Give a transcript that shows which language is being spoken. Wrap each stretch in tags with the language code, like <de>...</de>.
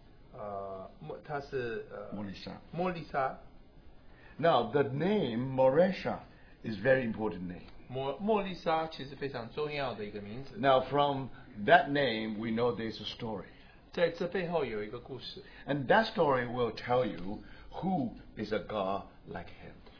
<zh>我们知道米迦他是莫利沙。</zh> <en>Now the name Moresha is very important name.</en> <zh>莫利沙其实非常重要的一个名字。</zh> <en>Now from that name we know there's a story.</en> <zh>在这背后有一个故事。</zh> <en>And that story will tell you who is a God like him.</en>